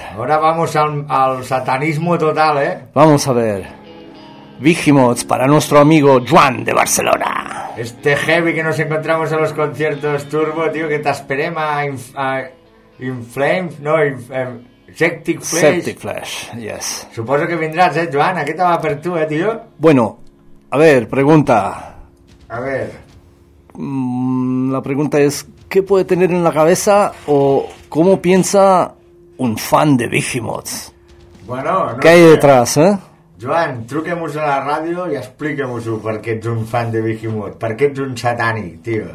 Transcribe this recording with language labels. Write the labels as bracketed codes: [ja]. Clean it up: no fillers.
[es] Ahora vamos al satanismo total, ¿eh? Vamos a ver. Vigimots para nuestro amigo Juan de Barcelona. Este heavy que nos encontramos en los conciertos turbo, tío, [ca] que te esperem [es] Inflames, no, Septic Flesh. Septic Flesh, yes. [ca] Suposo que vindràs, Joan, aquí te va per tu, tio. [es] Bueno, a ver, pregunta. A ver. La pregunta es, ¿qué puede tener en la cabeza o cómo piensa un fan de Vigimots? Bueno, no. ¿Qué hay detrás, [ca] Joan, truquem-vos a la ràdio i expliquem-vos-ho per què ets un fan de Vigimots, per què ets un satànic, tio.